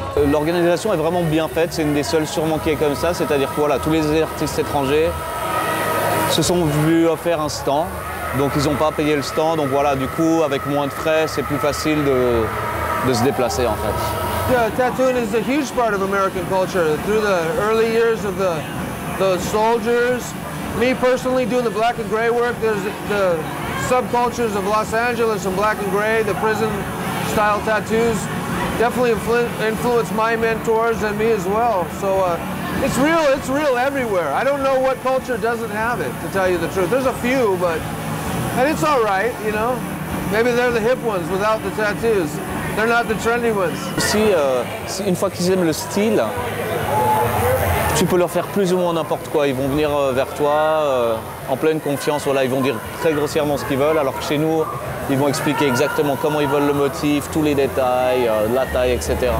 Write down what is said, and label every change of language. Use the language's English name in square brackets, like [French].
[French] L'organisation est vraiment bien faite, c'est une des seules sûrement qui est comme ça, c'est-à-dire que voilà, tous les artistes étrangers se sont vus offrir un stand, donc ils n'ont pas payé le stand, donc voilà, du coup, avec moins de frais, c'est plus facile de se déplacer en fait. [English] Yeah, tattooing is a huge part of American culture. Through the early years of the soldiers, me personally, doing the black and gray work, there's the subcultures of Los Angeles and black and gray, the prison style tattoos, definitely influenced my mentors and me as well. So it's real everywhere. I don't know what culture doesn't have it, to tell you the truth. There's a few, but, and it's all right, you know? Maybe they're the hip ones without the tattoos. They're not the trendy ones. [French] Si une fois qu'ils aiment le style, tu peux leur faire plus ou moins n'importe quoi, ils vont venir vers toi en pleine confiance, voilà, ils vont dire très grossièrement ce qu'ils veulent, alors que chez nous, ils vont expliquer exactement comment ils veulent le motif, tous les détails, la taille, etc.